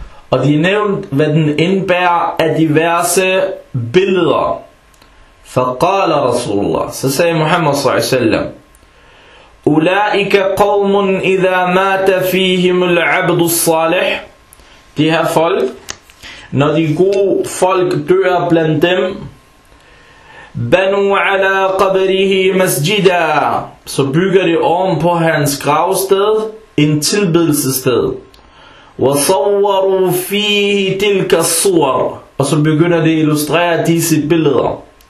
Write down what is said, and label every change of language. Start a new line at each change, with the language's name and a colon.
Danish: Og de nævnte, hvad den indbærer af diverse billeder.
Arabic: فقال رسول الله,
Danish: så sagde Muhammad
Arabic: صلى الله عليه وسلم, أولئك قوم إذا مات فيهم العبد الصالح.
Danish: De her folk, når de gode folk dør blandt dem,
Arabic: بنوا على قبره مسجدا,
Danish: så bygger de oven på hans gravsted en tilbedelsessted.
Arabic: وصوروا فيه تلك الصور,
Danish: og så begynder de at illustrere disse billeder.